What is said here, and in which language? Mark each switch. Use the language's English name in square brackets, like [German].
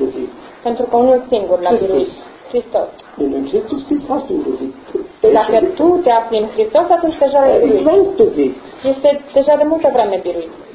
[Romanian] besiegt. Pentru că unul singur l-a biruit. Hristos. [German] Wenn du in Christus bist, hast du ihn besiegt. [Romanian] Dacă tu te afli în Hristos, atunci deja l-ai biruit. Este deja de multă vreme biruit.